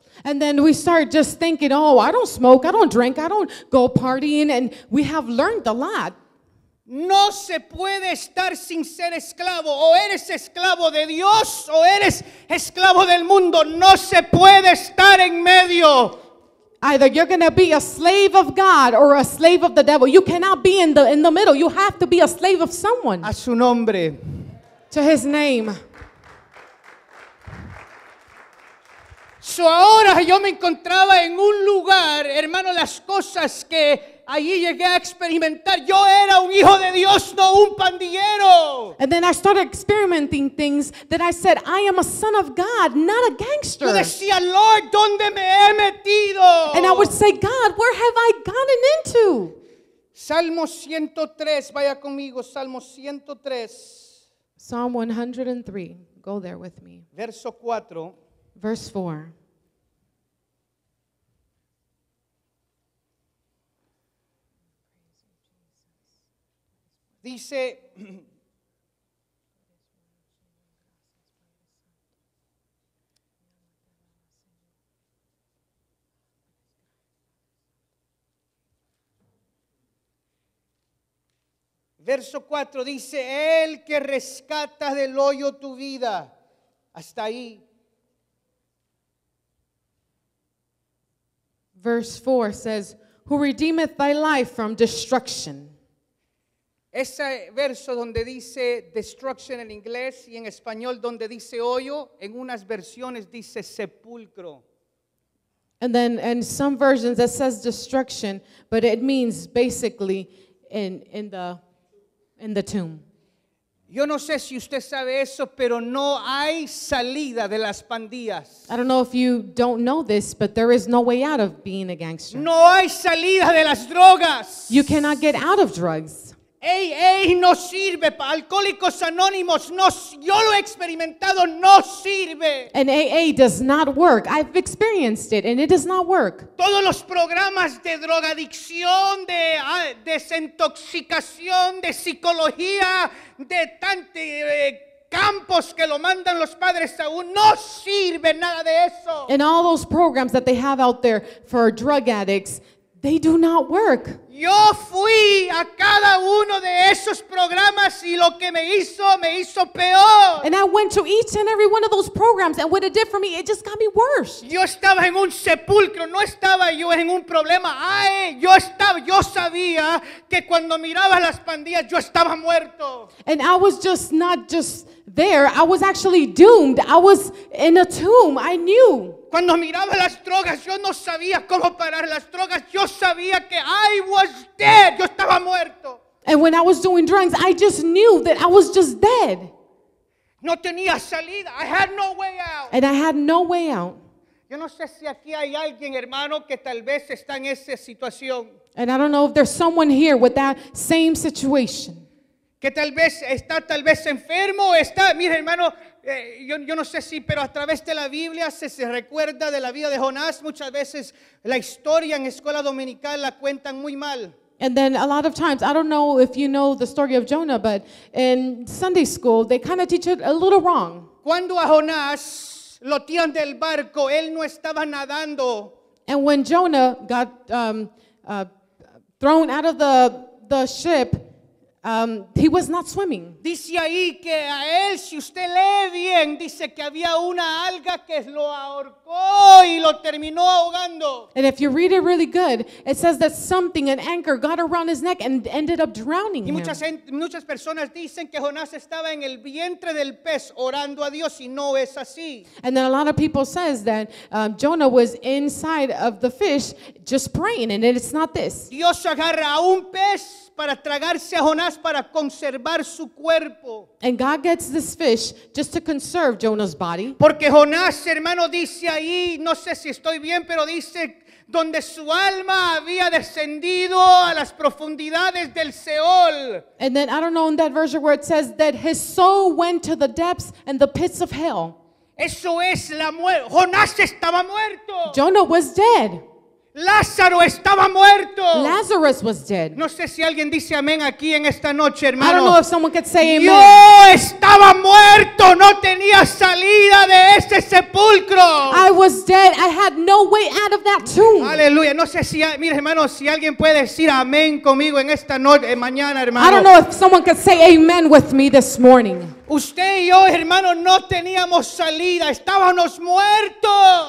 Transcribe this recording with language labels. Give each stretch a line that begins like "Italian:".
English: And then we start just thinking, "Oh, I don't smoke, I don't drink, I don't go partying," and we have learned a lot.
Spanish: No se puede estar sin ser esclavo. O eres esclavo de Dios o eres esclavo del mundo. No se puede estar en medio.
English: Either you're going to be a slave of God or a slave of the devil. You cannot be in the middle. You have to be a slave of someone.
Spanish: A su nombre.
English: To his name.
Spanish: So ahora yo me encontraba en un lugar, hermano, las cosas que allí llegué a experimentar. Yo era un hijo de Dios, no un pandillero.
English: And then I started experimenting things that I said, "I am a son of God, not a gangster."
Spanish: Yo decía, "Lord, ¿dónde me he metido?"
English: And I would say, "God, where have I gotten into?"
Spanish: Salmo 103, vaya conmigo, Salmo 103.
English: Psalm 103, go there with me.
Spanish: Verso 4.
English: Verse 4.
Spanish: Dice, verso 4 dice, "El que rescata del hoyo tu vida." Hasta ahí.
English: Verse 4 says, "Who redeemeth thy life from destruction."
Spanish: Ese verso donde dice destruction en inglés y en español donde dice hoyo, en unas versiones dice sepulcro.
English: And then in some versions it says destruction, but it means basically in the tomb.
Spanish: Yo no sé si usted sabe eso, pero no hay salida de las pandillas.
English: I don't know if you don't know this, but there is no way out of being a gangster.
Spanish: No hay salida de las drogas.
English: You cannot get out of drugs.
Spanish: AA no sirve. Alcohólicos Anónimos, no, yo lo he experimentado, no sirve.
English: And AA does not work. I've experienced it and it does not work.
Spanish: Todos los programas de drogadicción, de desintoxicación, de psicología, de tantos campos que lo mandan los padres a uno, no sirve nada de eso.
English: And all those programs that they have out there for drug addicts, they do not work.
Spanish: Yo fui a cada uno de esos programas y lo que me hizo peor.
English: And I went to each and every one of those programs, and what it did for me, it just got me worse.
Spanish: Yo estaba en un sepulcro, no estaba yo en un problema. Ay, yo sabía que cuando miraba las pandillas, yo estaba muerto.
English: And I was just not just there, I was actually doomed. I was in a tomb, I knew.
Spanish: Cuando miraba las drogas, yo no sabía cómo parar las drogas. Yo sabía que
English: I was dead.
Spanish: Yo estaba muerto.
English: And when I was doing drugs, I just knew that I was just dead.
Spanish: No tenía salida.
English: I had no way out. And I had no way out.
Spanish: Yo no sé si aquí hay alguien, hermano, que tal vez está en esa situación.
English: And I don't know if there's someone here with that same situation.
Spanish: Que tal vez está tal vez enfermo o está, mire, hermano, yo no sé si, pero a través de la Biblia se recuerda de la vida de Jonás. Muchas veces la historia en escuela dominical la cuentan muy mal.
English: And then a lot of times, I don't know if you know the story of Jonah, but in Sunday school, they kind of teach it a little wrong.
Spanish: Cuando a Jonás, Lo tiran del barco, él no estaba nadando.
English: And when Jonah got thrown out of the ship, he was not swimming.
Spanish: Dice ahí que a él, si usted lee bien, dice que había una alga que lo ahorcó y lo terminó ahogando.
English: And if you read it really good, it says that something, an anchor, got around his neck and ended up drowning him.
Spanish: Y muchas personas dicen que Jonás estaba en el vientre del pez orando a Dios, y no es así.
English: And then a lot of people says that Jonah was inside of the fish just praying, and it's not this.
Spanish: Dios agarra a un pez para tragarse a Jonás para conservar su cuerpo.
English: And God gets this fish just to conserve Jonah's body.
Spanish: Porque Jonás, hermano, dice ahí, no sé si estoy bien, pero dice donde su alma había descendido a las profundidades del Seol.
English: And then I don't know in that version where it says that his soul went to the depths and the pits of hell.
Spanish: Eso es la muerte. Jonás estaba muerto.
English: Jonah was dead.
Spanish: Lázaro estaba muerto.
English: Lazarus was dead.
Spanish: No sé si alguien dice amén aquí en esta noche, hermano.
English: I don't know if someone could say amen.
Spanish: Yo estaba muerto, no tenía salida de ese sepulcro.
English: I was dead. I had no way out of that tomb.
Spanish: Aleluya. No sé si, mira, hermano, si alguien puede decir amén conmigo en esta noche, mañana, hermano.
English: I don't know if someone could say amen with me this morning.
Spanish: Usted y yo, hermano, no teníamos salida, estábamos muertos.